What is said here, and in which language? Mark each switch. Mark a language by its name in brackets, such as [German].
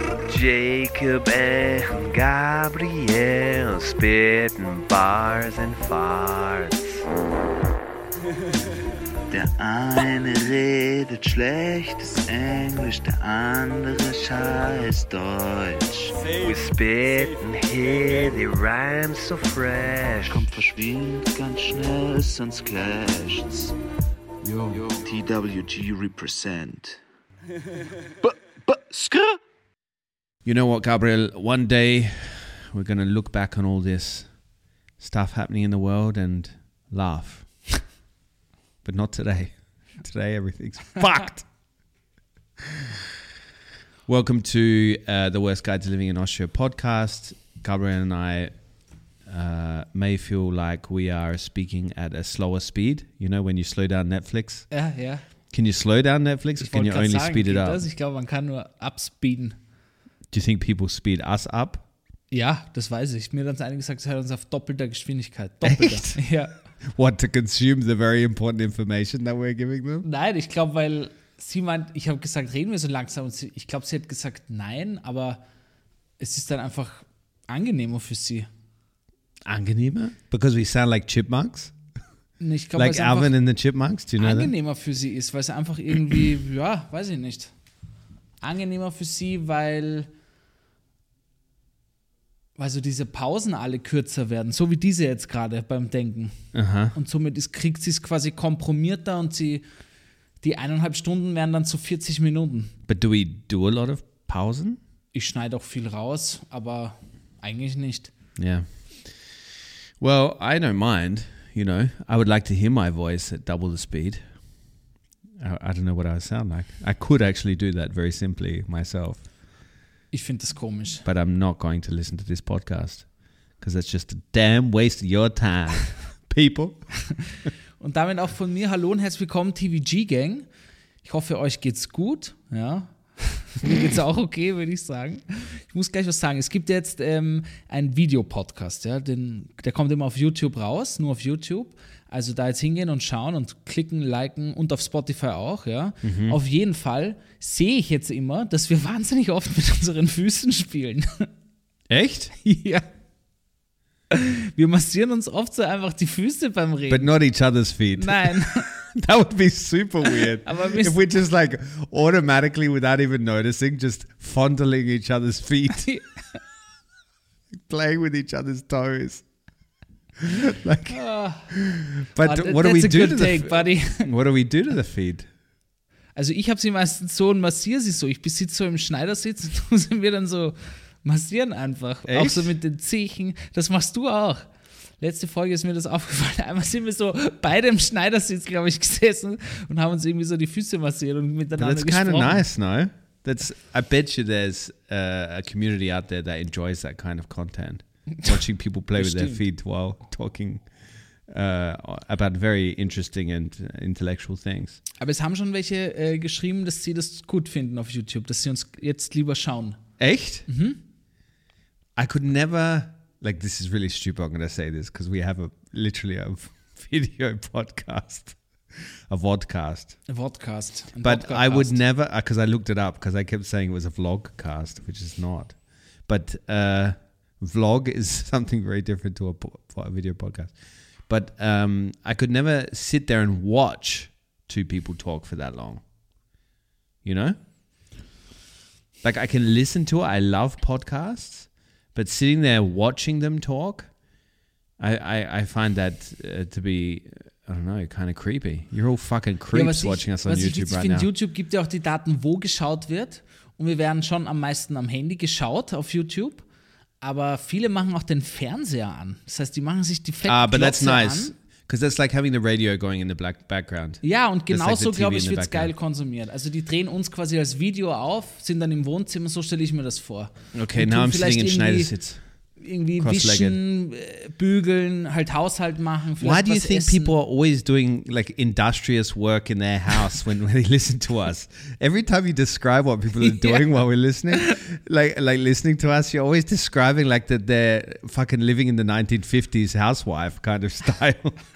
[English] Jacob and Gabriel spitting bars and farts. [German] Der eine redet schlechtes Englisch, der andere scheiß Deutsch. [English] We spitting here, the rhymes so fresh. [German] Komm, verschwind ganz schnell, sonst clasht's. Yo, yo. [English] TWG represent. B-B-Skr! You know what, Gabriel? One day we're going to look back on all this stuff happening in the world and laugh. But not today. Today everything's fucked. Welcome to the Worst Guide to Living in Austria podcast. Gabriel and I may feel like we are speaking at a slower speed. You know, when you slow down Netflix. Yeah. Can you slow down Netflix or can you only speed it up? [German] Ich glaube, man kann nur upspeeden. [English] Do you think people speed us up? [German] Ja, das weiß ich. Mir hat einer gesagt, es hört uns auf doppelter Geschwindigkeit. Doppelter. Echt? Ja. [English] What, to consume the very important information that we're giving them? [German] Nein, ich glaube, weil sie meint, ich habe gesagt, reden wir so langsam. Und sie, ich glaube, sie hat gesagt, nein, aber es ist dann einfach angenehmer für sie. [English] Angenehmer? Because we sound like chipmunks? [German] Ich glaub, [English] like Alvin and the Chipmunks? Do you know [German] angenehmer [English] that? [German] Für sie ist, weil es einfach irgendwie, ja, weiß ich nicht. Angenehmer für sie, weil so diese Pausen alle kürzer werden, so wie diese jetzt gerade beim Denken. Aha. Und somit kriegt sie es quasi komprimierter und sie die 1,5 Stunden werden dann zu 40 Minuten. [English] But do we do a lot of Pausen? [German] Ich schneide auch viel raus, aber eigentlich nicht. [English] Yeah. Well, I don't mind, you know. I would like to hear my voice at double the speed. I don't know what I would sound like. I could actually do that very simply myself. [German] Ich finde das komisch. [English] But I'm not going to listen to this podcast. Because that's just a damn waste of your time, people. [German] Und damit auch von mir, hallo und herzlich willkommen, TVG-Gang. Ich hoffe, euch geht's gut. Ja. Mir geht's auch okay, würde ich sagen. Ich muss gleich was sagen. Es gibt jetzt einen Videopodcast. Ja? Der kommt immer auf YouTube raus, nur auf YouTube. Also da jetzt hingehen und schauen und klicken, liken und auf Spotify auch, ja. Mhm. Auf jeden Fall sehe ich jetzt immer, dass wir wahnsinnig oft mit unseren Füßen spielen. Echt? Ja. Wir massieren uns oft so einfach die Füße beim Reden. [English] But not each other's feet. [German] Nein. [English] That would be super weird. [German] Aber [English] if we just like automatically, without even noticing, just fondling each other's feet. Playing with each other's toes. Like, but what do we do to take, buddy. What do we do to the feet? [German] Also ich habe sie meistens so und massiere sie so. Ich sitze so im Schneidersitz und tue sie mir dann so massieren einfach. Echt? Auch so mit den Zehen. Das machst du auch. Letzte Folge ist mir das aufgefallen. Einmal sind wir so beide im Schneidersitz, glaube ich, gesessen und haben uns irgendwie so die Füße massiert und miteinander [English] that's [German] gesprochen. [English] That's kind of nice, no? That's, I bet you there's a community out there that enjoys that kind of content. Watching people play with their feet while talking about very interesting and intellectual things. [German] Aber es haben schon welche geschrieben, dass sie das gut finden auf YouTube, dass sie uns jetzt lieber schauen. Echt? Mm-hmm. [English] I could never, like, this is really stupid. I'm going to say this because we have a video podcast. A vodcast. A vodcast. But I would never, because I looked it up, because I kept saying it was a vlogcast, which is not. But vlog is something very different to a video podcast. But I could never sit there and watch two people talk for that long. You know? Like, I can listen to it. I love podcasts. But sitting there watching them talk, I find that to be... I don't know, kind of creepy. You're all fucking creeps watching us on YouTube right now. [German] Ich finde, YouTube gibt ja auch die Daten, wo geschaut wird. Und wir werden schon am meisten am Handy geschaut auf YouTube. Aber viele machen auch den Fernseher an. Das heißt, die machen sich die Fettglotze an. [English] Ah, but that's nice. Because that's like having the radio going in the black background. [German] Ja, und genauso, glaube ich, wird es geil konsumiert. Also die drehen uns quasi als Video auf, sind dann im Wohnzimmer, so stelle ich mir das vor. [English] Okay, now I'm sitting in Schneidersitz. [German] Irgendwie wischen, bügeln, halt Haushalt machen. [English] Why do you think people are always doing like industrious work in their house when they listen to us? Every time you describe what people are doing while we're listening, like listening to us, you're always describing like that they're fucking living in the 1950s housewife kind of style.